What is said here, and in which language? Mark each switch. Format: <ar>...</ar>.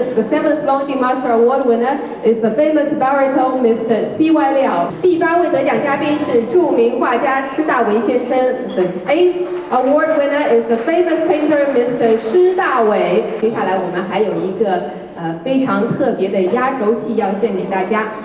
<en>The seventh Longines Master Award winner is the famous baritone Mr. C.Y. Liao。</en> <zh>第八位得奖嘉宾是著名画家施大为先生。</zh> <en>The eighth award winner is the famous painter Mr.</en> <zh>施大为。接下来我们还有一个非常特别的压轴戏要献给大家。</zh>